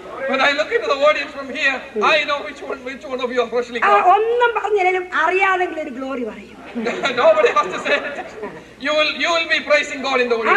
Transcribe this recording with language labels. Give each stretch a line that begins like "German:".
English: When I look into the audience from here, I know which one of you are freshly caught.
Malayalam: ഒന്നും പറഞ്ഞില്ലെങ്കിലും അറിയാതെങ്കിലും ഒരു glory പറയും.
English: Nobody has to say it. You will be praising God in the audience.